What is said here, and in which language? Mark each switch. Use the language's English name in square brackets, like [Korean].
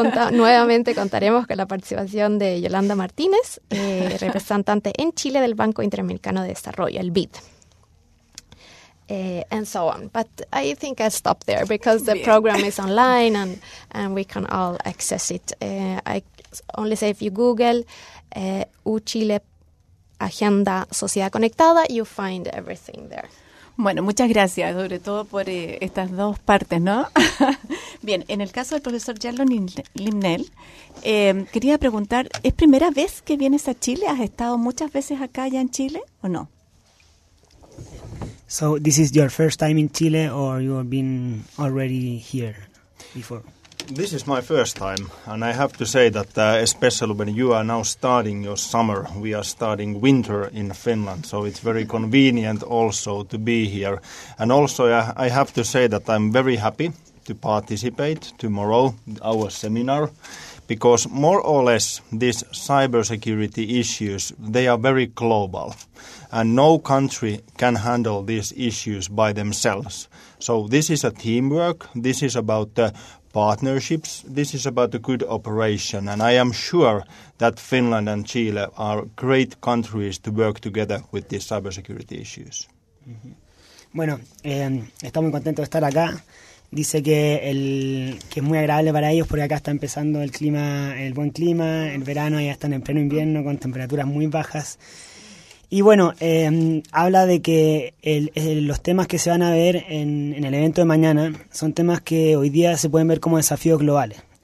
[Spanish] Nuevamente contaremos con la participación de Yolanda Martínez, representante en Chile del Banco Interamericano de Desarrollo, el BID. [English] And so on. But I think I'll stop there because the program is online and we can all access it. I only say if you Google UChile Agenda Sociedad Conectada, you find everything there. [Spanish] Bueno, muchas gracias, sobre todo por estas dos partes, ¿no? Bien, en el caso del profesor Yarlon Limnel, quería preguntar, ¿es primera vez que vienes a Chile? ¿Has estado muchas veces acá ya en Chile o no? [English] So, this is your first time in Chile or you have been already here before? This is my first time, and I have to say that especially when you are now starting your summer, we are starting winter in Finland, so it's very convenient also to be here. And also I have to say that I'm very happy to participate tomorrow in our seminar, because more or less these cybersecurity issues, they are very global, and no country can handle these issues by themselves. So this is a teamwork, this is about the partnerships, this is about a good operation, and I am sure that Finland and Chile are great countries to work together with these cybersecurity issues. Mm-hmm. [Spanish] Bueno, estoy muy contento de estar acá. Dice que es muy agradable para ellos porque acá está empezando el clima, el buen clima, el verano, ya están en pleno invierno con temperaturas muy bajas. Y bueno, habla de que los temas que se van a ver en el evento de mañana son temas que hoy día se pueden ver como desafíos globales.